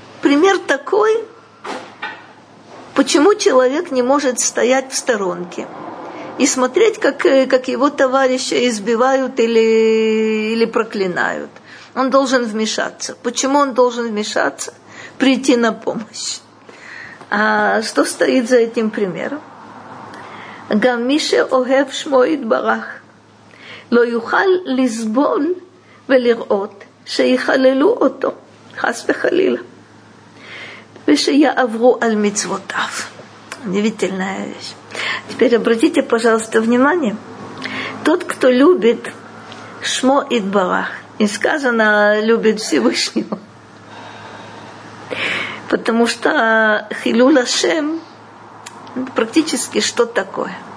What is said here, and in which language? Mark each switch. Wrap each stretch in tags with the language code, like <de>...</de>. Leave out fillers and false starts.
<ru>Пример такой, почему человек не может стоять в сторонке и смотреть, как его товарища избивают или проклинают. Он должен вмешаться. Почему он должен вмешаться? Прийти на помощь. А что стоит за этим примером?</ru> <he>גם מי שאוהב שמו יתברך לא יוכל לסבול ולראות שיחללו אותו חס וחלילה ושיעברו על מצוותיו.</he> <ru>Удивительная вещь. Теперь обратите, пожалуйста, внимание. Тот, кто любит шмо итбарах, и сказано любит Всевышнего, потому что хилул ашем практически что такое?</ru>